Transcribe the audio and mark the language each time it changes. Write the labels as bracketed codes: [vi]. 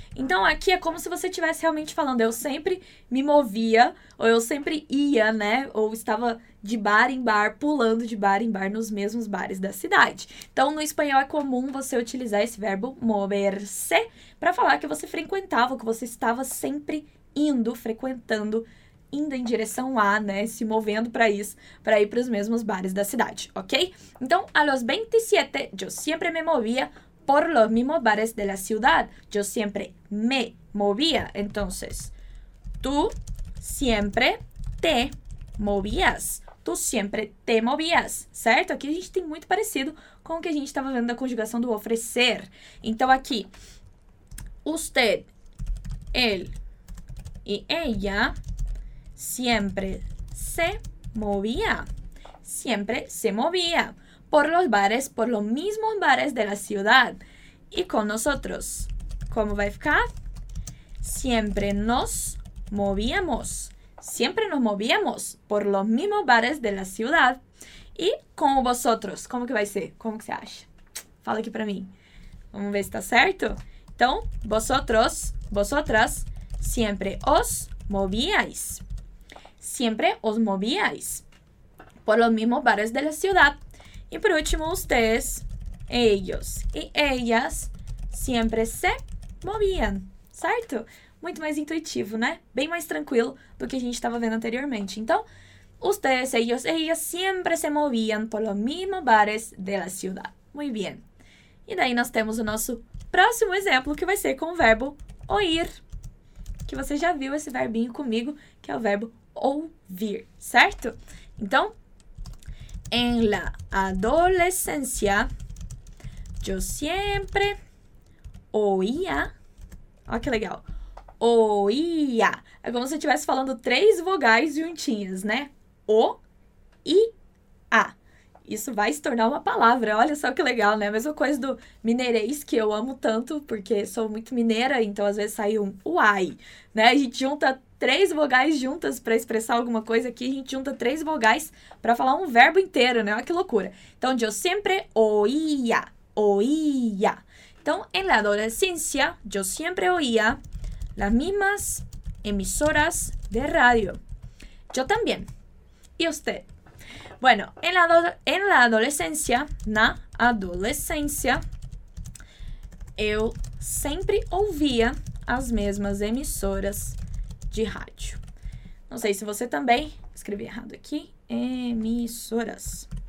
[pt] Então, aqui é como se você estivesse realmente falando, eu sempre me movia, ou eu sempre ia, né, ou estava de bar em bar, pulando de bar em bar nos mesmos bares da cidade. Então, no espanhol é comum você utilizar esse verbo mover-se para falar que você frequentava, que você estava sempre indo, frequentando, indo em direção a, né, se movendo para isso, para ir para os mesmos bares da cidade, ok? Então, [es] a los 27, yo siempre me movía por los mismos bares de la ciudad. Yo siempre me movía. Entonces, tú siempre te movías. Tú siempre te movías, certo? [pt] Aqui a gente tem muito parecido com o que a gente estava vendo da conjugação do oferecer. Então, aqui, [es] usted, él y ella siempre se movía. Siempre se movía. Por los bares, por los mismos bares de la ciudad. Y con nosotros, ¿cómo va a ficar? Siempre nos movíamos. Siempre nos movíamos por los mismos bares de la ciudad. Y con vosotros, ¿cómo que va a ser? ¿Cómo que se acha? [pt] Fala aquí para mí. Vamos ver [es] si está cierto. Então, vosotros, vosotras, siempre os movíais. Siempre os movíais por los mismos bares de la ciudad. Y por último, ustedes, ellos y ellas, siempre se movían, certo? [pt] Muito mais intuitivo, né? Bem mais tranquilo do que a gente estava vendo anteriormente. Então, [es] ustedes, ellos y ellas, siempre se movían por los mismos bares de la ciudad. Muy bien. [pt] E daí nós temos o nosso próximo exemplo, que vai ser com o verbo oír. Que você já viu esse verbinho comigo, que é o verbo ouvir, certo? Então, [es] en la adolescencia, yo siempre oía. [pt] Olha que legal. Oía. É como se eu estivesse falando três vogais juntinhas, né? O, I, A. Isso vai se tornar uma palavra. Olha só que legal, né? A mesma coisa do mineirês, que eu amo tanto, porque sou muito mineira, então às vezes sai um uai, né? A gente junta três vogais juntas para expressar alguma coisa aqui, a gente junta três vogais para falar um verbo inteiro, né? Olha que loucura. Então, [es] yo siempre oía, oía. [pt] Então, [es] en la adolescencia, yo siempre oía las mismas emisoras de radio. Yo también. ¿Y usted? Bueno, en la adolescencia, [pt] na adolescência, eu sempre ouvia as mesmas emissoras de rádio. Não sei se você também, escrevi errado aqui, emissoras.